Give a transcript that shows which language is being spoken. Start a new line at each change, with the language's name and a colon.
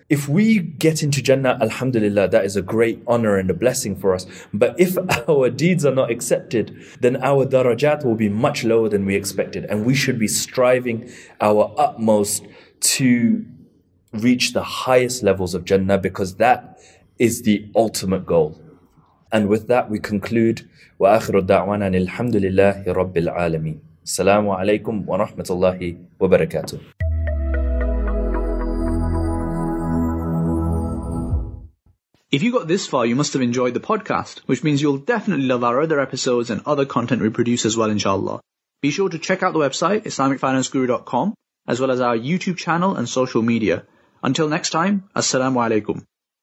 English: If we get into Jannah, alhamdulillah, that is a great honor and a blessing for us. But if our deeds are not accepted, then our darajat will be much lower than we expected. And we should be striving our utmost to reach the highest levels of Jannah, because that is the ultimate goal. And with that, we conclude.
Arabic: وآخر الدعوانا أن الحمد لله رب العالمين. السلام عليكم ورحمة الله وبركاته.
English: If you got this far, you must have enjoyed the podcast, which means you'll definitely love our other episodes and other content we produce as well, inshallah. Be sure to check out the website, islamicfinanceguru.com, as well as our YouTube channel and social media. Until next time, assalamu alaikum.